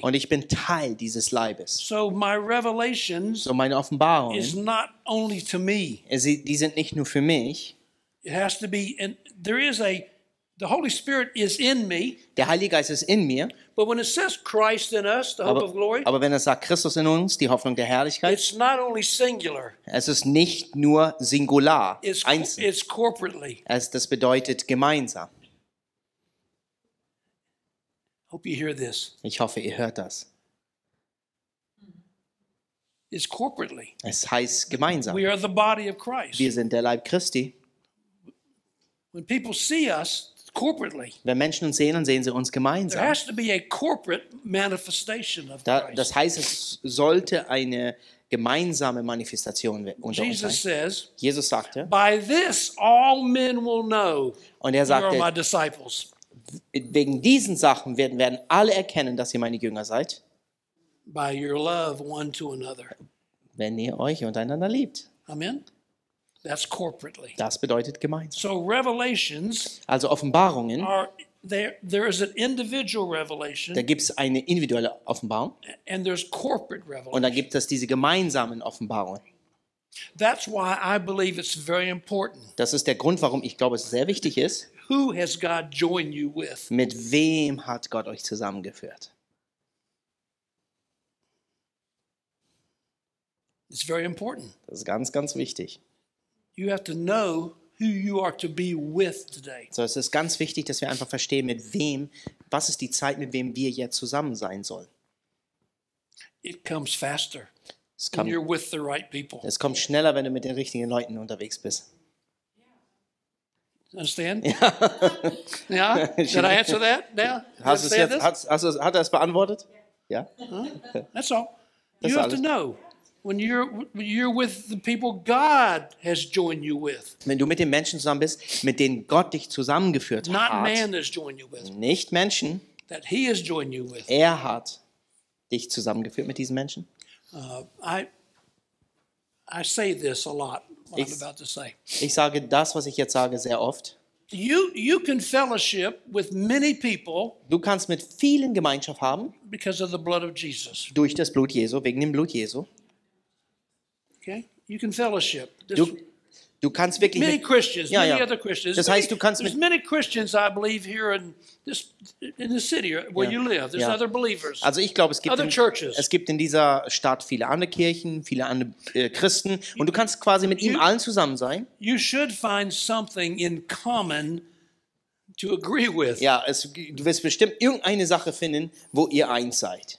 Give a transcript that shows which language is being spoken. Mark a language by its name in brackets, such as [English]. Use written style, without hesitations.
[German] Und ich bin Teil dieses Leibes. [English] So my revelations, [German] so meine Offenbarung, [English] is not only to me. [German] Die sind nicht nur für mich. [English] It has to be, and there is a, the Holy Spirit is in me. [German] Der Heilige Geist ist in mir. [English] But when it says Christ in us, the hope of glory, [German] aber wenn es sagt Christus in uns, die Hoffnung der Herrlichkeit, [English] it's not only singular. [German] Es ist nicht nur singular. [English] It's corporately. [German] Das bedeutet gemeinsam. [English] Hope you hear this. [German] Ich hoffe, ihr hört das. [English] It's corporately. [German] Es heißt gemeinsam. [English] We are the body of Christ. [German] Wir sind der Leib Christi. [English] When people see us corporately, [German] wenn Menschen uns sehen, dann sehen sie uns gemeinsam. [English] There has to be a corporate manifestation of Christ. [German] Das heißt, es sollte eine gemeinsame Manifestation unter uns sein. [English] Jesus says, [German] Jesus sagte, [English] by this all men will know. [German] Und er sagte, [English] you are my disciples. [German] Wegen diesen Sachen werden alle erkennen, dass ihr meine Jünger seid. [English] By your love one to another. [German] Wenn ihr euch untereinander liebt. [English] Amen. That's corporately. [German] Das bedeutet gemeinsam. [English] So revelations, [German] also Offenbarungen. [English] There is an individual revelation. [German] Da gibt es eine individuelle Offenbarung. [English] And there's corporate revelation. [German] Und da gibt es diese gemeinsamen Offenbarungen. [English] That's why I believe it's very important. [German] Das ist der Grund, warum ich glaube, es sehr wichtig ist. [English] Who has God joined you with? [German] Mit wem hat Gott euch zusammengeführt? [English] It's very important. [German] Das ist ganz, ganz wichtig. [English] You have to know who you are to be with today. [German] So es ist ganz wichtig, dass wir einfach verstehen, mit wem, was ist die Zeit, mit wem wir jetzt zusammen sein sollen. [English] It comes faster. [German] Es kommt, [English] when you're with the right people. [German] Es kommt schneller, wenn du mit den richtigen Leuten unterwegs bist. [English] Understand? [German] Ja. Ja? [English] Did I answer that? Yeah. [German] Hat er es beantwortet? Ja. [English] Huh? That's all. Das you have alles. To know when you're with the people God has joined you with. [German] Wenn du mit den Menschen zusammen bist, mit denen Gott dich zusammengeführt [English] not [German] hat. [English] Not man has joined you with. [German] Nicht Menschen. [English] That he has joined you with. [German] Er hat dich zusammengeführt mit diesen Menschen. [English] I say this a lot. What I'm about to say. [German] Ich sage das, was ich jetzt sage, sehr oft. [English] You can fellowship with many people. [German] Du kannst mit vielen Gemeinschaft haben. [English] Because of the blood of Jesus. [German] Durch das Blut Jesu, wegen dem Blut Jesu. [English] Okay, you can fellowship. [German] Du kannst wirklich [English] many Christians, [German] ja, ja. [English] Many other Christians. [German] Das heißt, du kannst [English] there's many Christians, I believe, here in the city where ja. You live. There's ja. Other believers. [German] Also ich glaube, es gibt in dieser Stadt viele andere Kirchen, viele andere Christen. Und du kannst quasi mit ihm allen zusammen sein. [English] You should find something in common to agree with. [German] Ja, du wirst bestimmt irgendeine Sache finden, wo ihr eins seid.